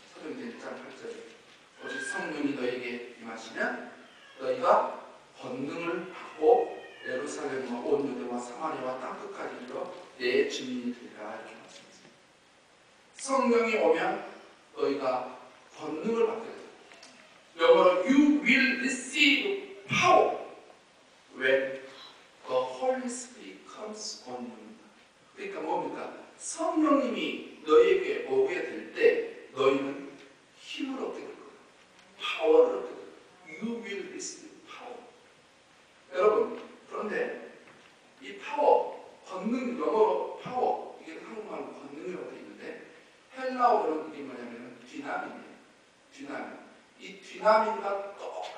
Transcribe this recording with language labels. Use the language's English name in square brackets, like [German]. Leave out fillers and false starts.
[Korean] 사도행전 1장 8절에 오직 성령이 너에게 임하시면 너희가 권능을 받고 예루살렘과 온 유대와 사마리아와 땅끝까지 이르러 내 증인이 되리라 이렇게 말씀했습니다. 성령이 오면 너희가 권능을 받게 됩니다. [English] 영어로 You will receive power when the Holy Spirit comes on you. [Korean] 그러니까 뭡니까? 성령님이 너희에게 오게 될 때 너희는 힘을 얻게 될 거예요. 파워를 얻게 될 거예요. [English] You will receive power. [Korean] 여러분, 그런데 이 파워, 권능, 영어로 파워, 이게 한국말로 권능이라고 되어 있는데 헬라어로는 이게 뭐냐면 디나민이에요. 디나민. 이 디나민과 똑같아요.